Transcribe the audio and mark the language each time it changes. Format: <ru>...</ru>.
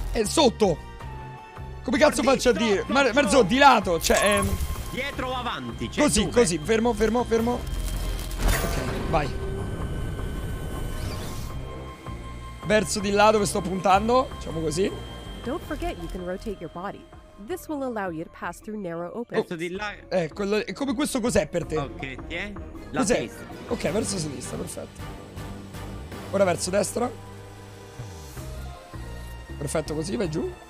<it>È sotto. Come cazzo faccio a dire? Marzo, di lato. Cioè, dietro o avanti? Cioè così, dove? Così. Fermo. Ok, vai. Verso di là dove sto puntando, diciamo così.</it> <en>Don't forget you can rotate your body. This will allow you to pass through narrow openings.</en> <it>Verso di là. Quello è come questo cos'è per te? Ok, tieni. Cos'è? Ok, verso sinistra, perfetto. Ora verso destra. Perfetto, così vai giù.</it>